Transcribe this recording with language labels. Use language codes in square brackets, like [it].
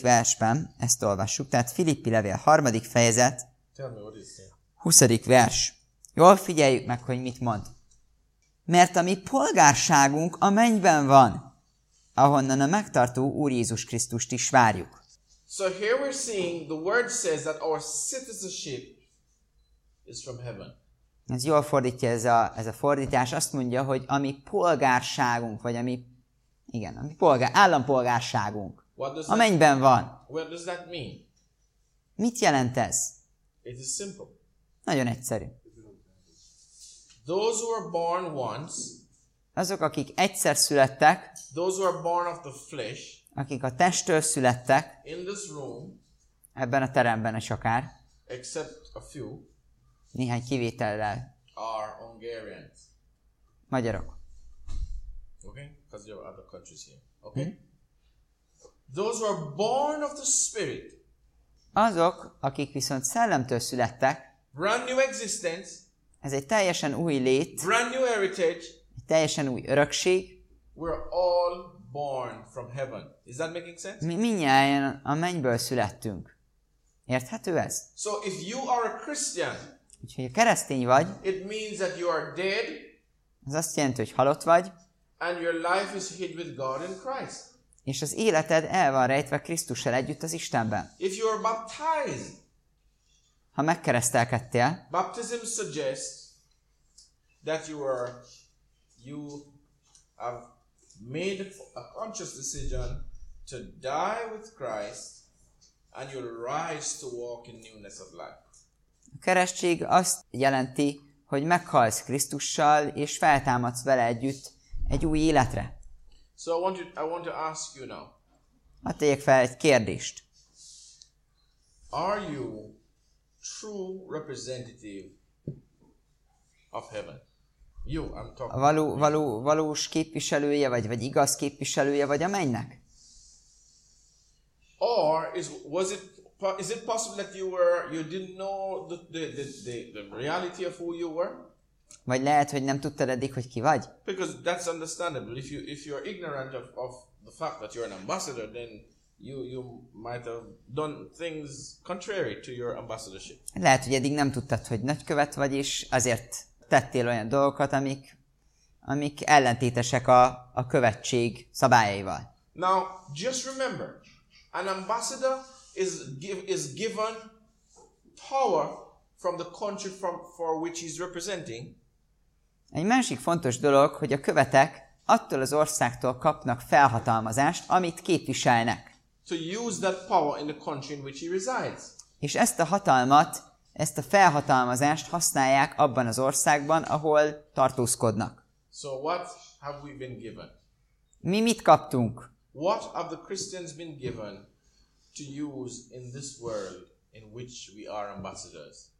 [hu] versben ezt olvassuk, tehát Filippi levél harmadik fejezet, [en] tell me, what is it? [hu] 20. vers. Jól figyeljük meg, hogy mit mond. Mert a mi polgárságunk a mennyben van, ahonnan a megtartó Úr Jézus Krisztust is várjuk. [en] So here we're seeing the word says that our citizenship is from heaven. [hu] Ez jól fordítja ez a fordítás. Azt mondja, hogy a mi polgárságunk, vagy állampolgárságunk a mennyben van. [en] What does that mean? [hu] Mit jelent ez? [en] It is simple. [hu] Nagyon egyszerű. [en] Those who are born once, [hu] azok, akik egyszer születtek, [en] those who are born of the flesh, [hu] akik a testtől születtek, [en] in this room, [hu] ebben a teremben is akár, [en] except a few, [hu] néhány kivétellel, [en] are Hungarians. [hu] Magyarok. [en] Okay, because there are other countries here. Okay. Those who are born of the Spirit, [hu] azok, akik viszont szellemtől születtek, [en] brand new existence, [hu] ez egy teljesen új lét, [en] brand new heritage, [hu] egy teljesen új örökség. [en] We're all born from heaven. Is that making sense? [hu] Mi mindnyájan a mennyből születtünk. Érthető ez? [en] So if you are a Christian, [hu] úgyhogy a keresztény vagy, [en] it means that you are dead, [hu] az azt jelenti, hogy halott vagy, [en] and your life is hid with God in Christ. [hu] És az életed el van rejtve Krisztussal együtt az Istenben. [en] If you are baptized, [hu] ha megkeresztelkedtél, [en] baptism suggests that you have made a conscious decision to die with Christ and you'll rise to walk in newness of life. [hu] A keresztség azt jelenti, hogy meghalsz Krisztussal és feltámadsz vele együtt egy új életre. [en] So I want to ask you now. [hu] Hadd tegyek fel egy kérdést. [en] Are you true representative of heaven? You, I'm talking. [hu] Valós képviselője vagy igaz képviselője vagy a mennynek? [en] Or is it possible that you didn't know the reality of who you were? [hu] Vagy lehet, hogy nem tudtad eddig, hogy ki vagy? [en] Because that's understandable. If you are ignorant of the fact that you're an ambassador, then you might have done things contrary to your ambassadorship. [hu] Lehet, hogy eddig nem tudtad, hogy nagykövet vagy, és azért tettél olyan dolgokat, amik ellentétesek a követség szabályaival. [en] Now, just remember, an ambassador is given power from the country for which he's representing. [hu] Egy másik fontos dolog, hogy a követek attól az országtól kapnak felhatalmazást, amit képviselnek. [en] To use that power in the country in which he resides. [hu] És ezt a hatalmat Ezt a felhatalmazást használják abban az országban, ahol tartózkodnak. [en] So what have we been given? [hu] Mi mit kaptunk? [en] What have the Christians been given to use in this world in which we are ambassadors?